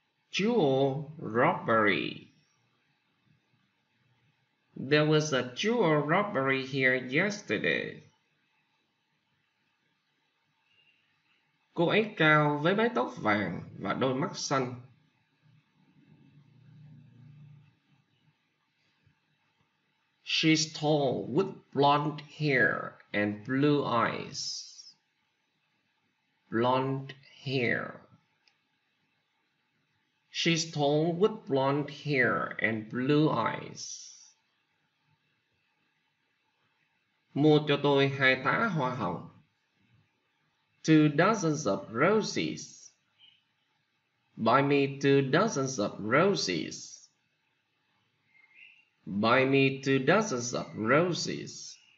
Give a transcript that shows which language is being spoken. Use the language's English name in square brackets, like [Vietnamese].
[English] Jewel robbery. There was a jewel robbery here yesterday. [Vietnamese] Cô ấy cao với mái tóc vàng và đôi mắt xanh. [English] She's tall with blonde hair and blue eyes. Blonde hair. She's tall with blonde hair and blue eyes. [Vietnamese] Mua cho tôi hai tá hoa hồng. [English] Two dozens of roses. Buy me two dozens of roses. Buy me two dozens of roses.